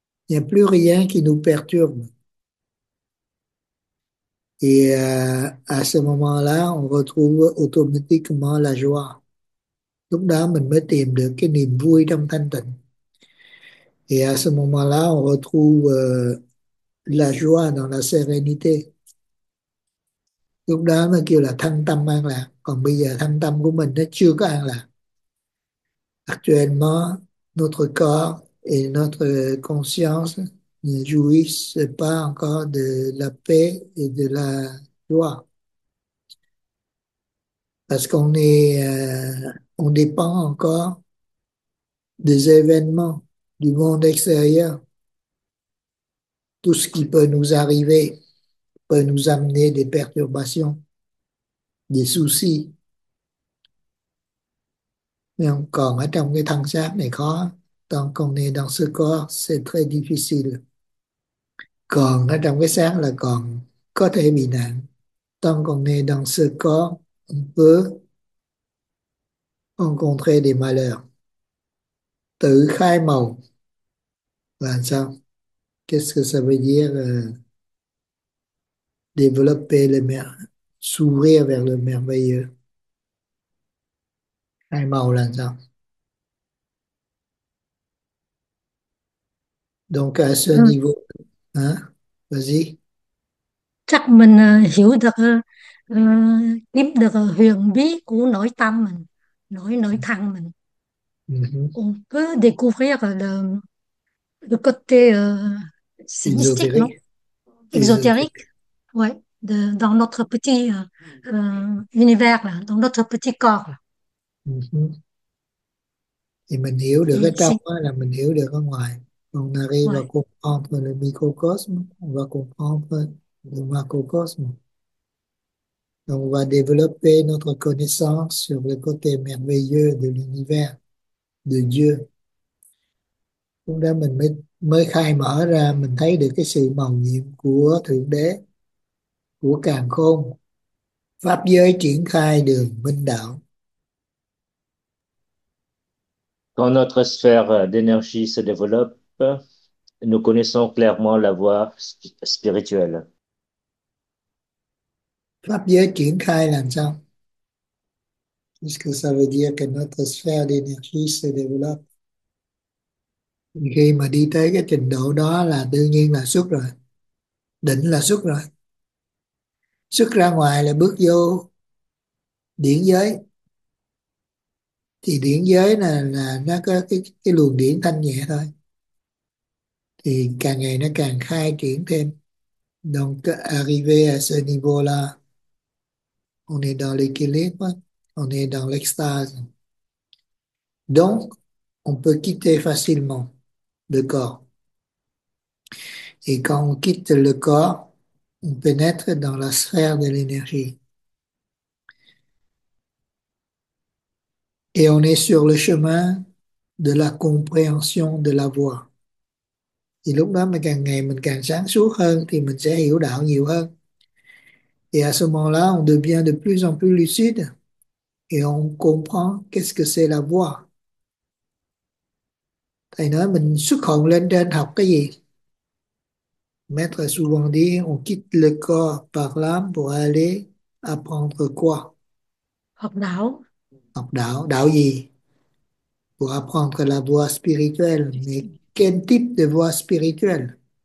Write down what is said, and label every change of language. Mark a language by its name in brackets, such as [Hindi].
[French] Il n'y a plus rien qui nous perturbe. Et à ce moment-là, on retrouve automatiquement la joie. [Vietnamese] Lúc đó, mình mới tìm được cái niềm vui trong thanh tịnh. [French] Et à ce moment-là, on retrouve la joie dans la sérénité. [Vietnamese] Lúc đó, nó kêu là thân tâm an lạc. Còn bây giờ, thân tâm của mình nó chưa có an lạc. [French] Actuellement, notre corps et notre conscience ne jouissent pas encore de la paix et de la joie. Parce qu'on est, on dépend encore des événements du monde extérieur. Tout ce qui peut nous arriver peut nous amener des perturbations, des soucis. Mais encore, [Vietnamese] ở trong cái thân xác này khó. [French] Tant qu'on est dans ce corps, c'est très difficile. [Vietnamese] Còn ở trong cái xác là còn có thể bị nạn. [French] Tant qu'on est dans ce corps, on peut rencontrer des malheurs. [Vietnamese] Tự khai màu. Là sao? [French] Qu'est-ce que ça veut dire développer le mer, s'ouvrir vers le merveilleux? [Vietnamese] Khai màu là sao? [French] Donc à ce niveau, hein, vas-y. [Vietnamese] Chắc mình hiểu được kiếm được huyền bí của nội tâm mình, nội nội thân mình. [French] On peut découvrir le côté mystique, Ésotérique. non? Ésotérique. Exotérique, ouais, dans notre petit univers là, dans notre petit corps là. [Vietnamese] Thì mình hiểu được [French] Et [Vietnamese] ở trong [French] c'est [Vietnamese] là mình hiểu được ở ngoài. [French] On arrive à comprendre le microcosme, on va comprendre le macrocosme. Donc, on va développer notre connaissance sur le côté merveilleux de l'univers, de Dieu. [Vietnamese] Lúc đó mình mới khai mở ra, mình thấy được cái sự màu nhiệm của Thượng Đế, của càn khôn. Pháp giới triển khai đường minh đạo. [French] Quand notre sphère d'énergie se développe, nous connaissons clairement la voie spirituelle. [Vietnamese] Pháp giới triển khai là sao? [French] Qu'est-ce que ça veut dire que notre sphère d'énergie se développe? [Vietnamese] Khi mà đi tới cái trình độ đó là đương nhiên là xuất rồi. Đỉnh là xuất rồi. Xuất ra ngoài là bước vô điển giới. Thì điển giới là nó có cái luồng điển thanh nhẹ thôi. Thì càng ngày nó càng khai triển thêm. [French] Donc, arrivé à ce niveau là on est dans l'équilibre, on est dans l'extase. Donc, on peut quitter facilement le corps. Et quand on quitte le corps, on pénètre dans la sphère de l'énergie. Et on est sur le chemin de la compréhension de la voie. [Vietnamese] Et lúc đó, mình càng ngày mình càng sáng suốt hơn, thì mình sẽ hiểu đạo nhiều hơn. [French] Et à ce moment-là, on devient de plus en plus lucide et on comprend qu'est-ce que c'est la voie. [Vietnamese] Thầy nói mình xuất hồn lên trên học cái gì? [French] Maître a souvent dit, on quitte le corps par l'âme pour aller apprendre quoi? [Vietnamese] Học đạo. Học đạo, đạo gì? [French] Pour apprendre la voie spirituelle. Mais quel type de voie spirituelle?